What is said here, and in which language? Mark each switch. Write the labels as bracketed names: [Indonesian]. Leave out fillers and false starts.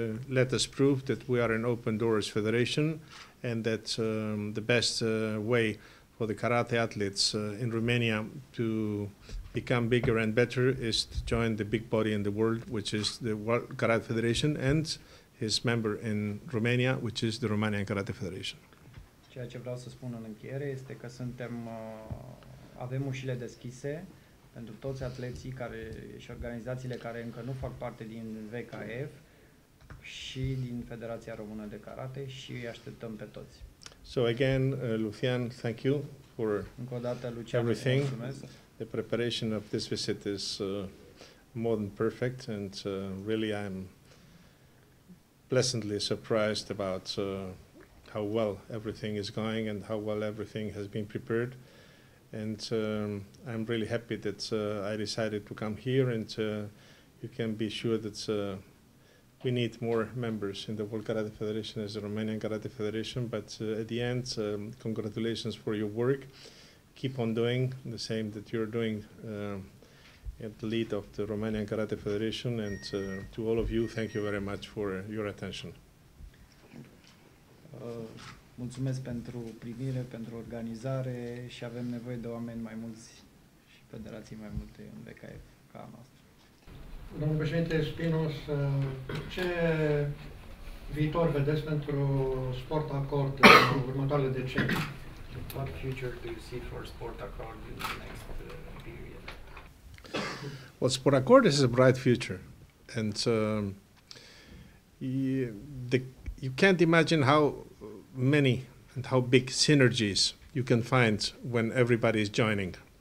[English] let us prove that we are an open doors federation and that the best way for the karate athletes in Romania to become bigger and better is to join the big body in the world, which is the World Karate Federation and his member in Romania, which is the Romanian Karate Federation. [Romanian] Ceea ce vreau să spun în încheiere este că suntem avem ușile deschise pentru toți atleții care și organizațiile care încă nu fac parte din VKF și din Federația Română de Karate și îi așteptăm pe toți. [English] So again, Lucian, thank you for [Romanian] încă o dată, Lucian, [English] everything. The preparation of this visit is more than perfect and really I'm pleasantly surprised about how well everything is going and how well everything has been prepared. And I'm really happy that I decided to come here and you can be sure that we need more members in the World Karate Federation as the Romanian Karate Federation. But at the end, congratulations for your work. Keep on doing the same that you're doing at the lead of the Romanian Karate Federation. And to all of you, thank you very much for your attention. [Romanian] Mulțumesc pentru primire, pentru organizare și avem nevoie de oameni mai mulți și federații mai multe în VKF ca a noastră. Domnul președinte Spinos, ce viitor vedeți pentru Sport Accord în următoarele decenii? [English] What future do you see for Sport Accord in the next period? Well, Sport Accord is a bright future and you can't imagine how many and how big synergies you can find when everybody is joining.